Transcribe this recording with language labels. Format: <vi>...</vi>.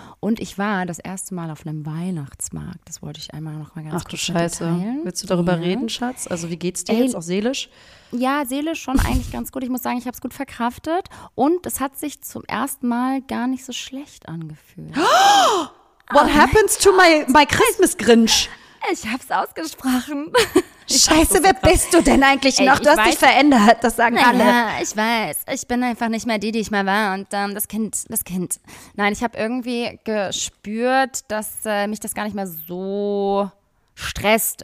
<de>Und ich war das erste Mal auf einem Weihnachtsmarkt. Das wollte ich einmal noch mal ganz Ach, kurz Ach du Scheiße. Erteilen. Willst du darüber reden, Schatz? Also wie geht's dir jetzt auch seelisch? Ja, seelisch schon eigentlich ganz gut. Ich muss sagen, ich habe es gut verkraftet. Und es hat sich zum ersten Mal gar nicht so schlecht angefühlt.</de> <en>What happens to my Christmas Grinch?</en> <de>Ich habe es ausgesprochen. Scheiße, wer bist du denn eigentlich noch? Du hast dich verändert, das sagen alle. Ja, ich weiß. Ich bin einfach nicht mehr die ich mal war. Und das Kind. Nein, ich habe irgendwie gespürt, dass mich das gar nicht mehr so stresst.</de>